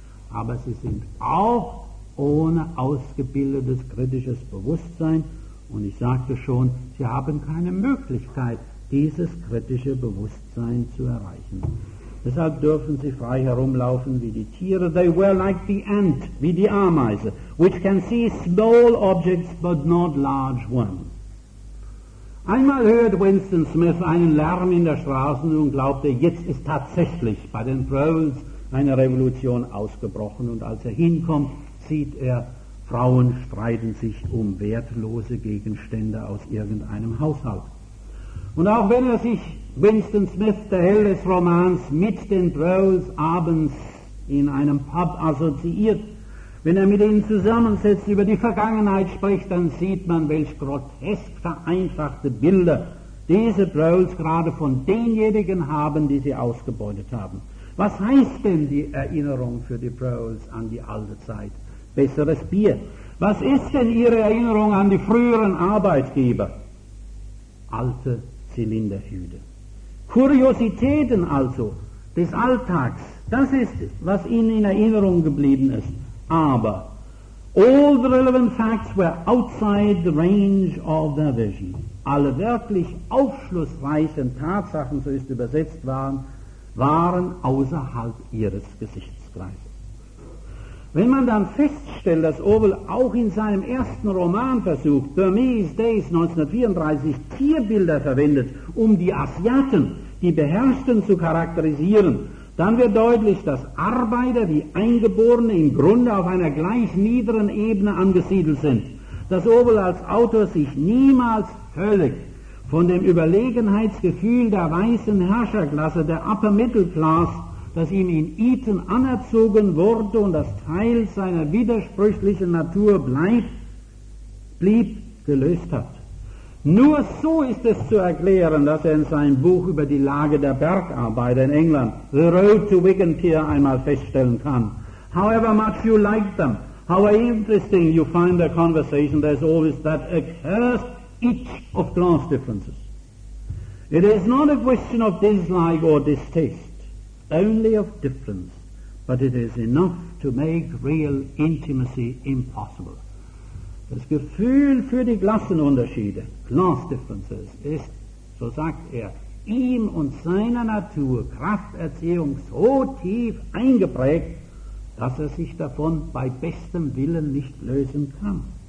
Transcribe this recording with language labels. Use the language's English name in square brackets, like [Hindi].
[German] Aber sie sind auch ohne ausgebildetes kritisches Bewusstsein und ich sagte schon, sie haben keine Möglichkeit, dieses kritische Bewusstsein zu erreichen. Deshalb dürfen sie frei herumlaufen wie die Tiere. [English] They were like the ant, [German] wie die Ameise, [English] which can see small objects but not large ones. [German] Einmal hört Winston Smith einen Lärm in der Straße und glaubte, jetzt ist tatsächlich bei den Brawls eine Revolution ausgebrochen. Und als er hinkommt, sieht er, Frauen streiten sich um wertlose Gegenstände aus irgendeinem Haushalt. Und auch wenn er sich, Winston Smith, der Held des Romans, mit den Brawls abends in einem Pub assoziiert, wenn er mit ihnen zusammensetzt, über die Vergangenheit spricht, dann sieht man, welch grotesk vereinfachte Bilder diese Brawls gerade von denjenigen haben, die sie ausgebeutet haben. Was heißt denn die Erinnerung für die Brawls an die alte Zeit? Besseres Bier. Was ist denn ihre Erinnerung an die früheren Arbeitgeber? Alte Zylinderhüte. Kuriositäten also des Alltags, das ist es, was ihnen in Erinnerung geblieben ist. Aber [English] all the relevant facts were outside the range of their vision. [German] Alle wirklich aufschlussreichen Tatsachen, so ist übersetzt, waren außerhalb ihres Gesichtskreises. Wenn man dann feststellt, dass Orwell auch in seinem ersten Roman versucht, Burmese Days 1934, Tierbilder verwendet, um die Asiaten, die Beherrschten, zu charakterisieren, dann wird deutlich, dass Arbeiter wie Eingeborene im Grunde auf einer gleich niederen Ebene angesiedelt sind. Dass Orwell als Autor sich niemals völlig von dem Überlegenheitsgefühl der weißen Herrscherklasse, der Upper Middle Class, das ihm in Eton anerzogen wurde und das Teil seiner widersprüchlichen Natur blieb, gelöst hat. Nur so ist es zu erklären, dass er in seinem Buch über die Lage der Bergarbeiter in England, The Road to Wigan Pier, einmal feststellen kann. [English] However much you like them, however interesting you find their conversation, there is always that accursed itch of class differences. It is not a question of dislike or distaste, only of difference, but it is enough to make real intimacy impossible. [German] Das Gefühl für die Klassenunterschiede, Class Differences, ist, so sagt er, ihm und seiner Natur Krafterziehung so tief eingeprägt, dass er sich davon bei bestem Willen nicht lösen kann.